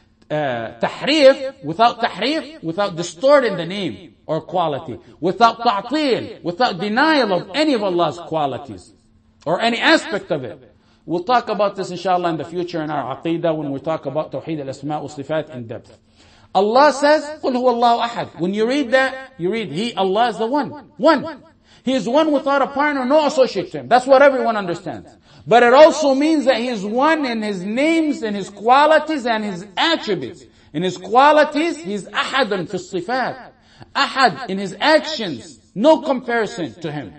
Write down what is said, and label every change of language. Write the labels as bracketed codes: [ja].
[en] Tahrif, without tahrif, without distorting the name or quality. Without ta'til, without denial of any of Allah's qualities or any aspect of it. We'll talk about this inshallah in the future in our aqidah when we talk about tawheed al-asma' wa sifat in depth. Allah says, [ar] قُلْ هُوَ اللَّهُ أَحَدٌ. [en] When you read that, you read, He, Allah is the one. One. He is one without a partner, no associate to Him. That's what everyone understands. But it also means that He is one in His names, in His qualities, and His attributes. In His qualities, He is [ar] أَحَدٌ فِي الصِّفَاتِ. [en] أَحَد, in His actions, no comparison to Him.